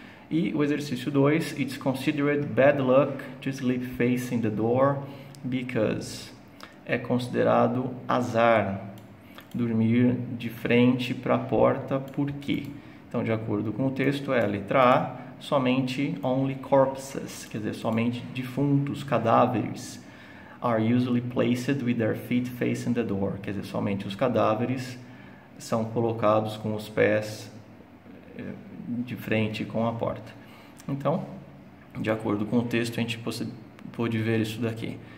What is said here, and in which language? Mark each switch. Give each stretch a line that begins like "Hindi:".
Portuguese: E o exercício 2:
English: It's considered bad luck to sleep facing the door because
Portuguese: é considerado azar dormir de frente para a porta, por quê? Então, de acordo com o texto, é a letra A.
English: Somente only corpses,
Portuguese: quer dizer, somente defuntos, cadáveres,
English: are usually placed with their feet facing the door.
Portuguese: Quer dizer, somente os cadáveres são colocados com os pés de frente com a porta. Então, de acordo com o texto, a gente pôde ver isso daqui.